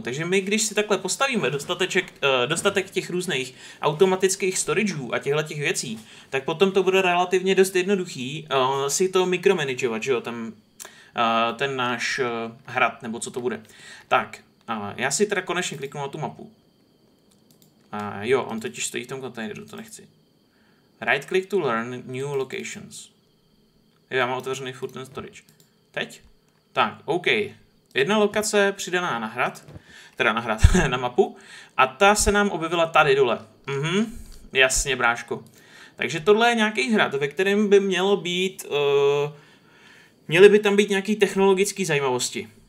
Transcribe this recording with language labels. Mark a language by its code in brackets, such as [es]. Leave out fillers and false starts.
[cs] Takže my, když si takhle postavíme dostatek těch různých automatických storageů a těchto těch věcí, tak potom to bude relativně dost jednoduchý si to mikromanagovat, že jo, ten náš hrad, nebo co to bude. Tak, já si teda konečně kliknu na tu mapu. Jo, on totiž stojí v tom kontejneru, to nechci. [en] Right click to learn new locations. [cs] Jo, já mám otevřený furt ten storage. Teď? Tak, OK. Jedna lokace přidaná na hrad, teda na hrad, na mapu, a ta se nám objevila tady dole. Mhm, jasně, bráško. Takže tohle je nějaký hrad, ve kterém by mělo být, měly by tam být nějaký technologický zajímavosti.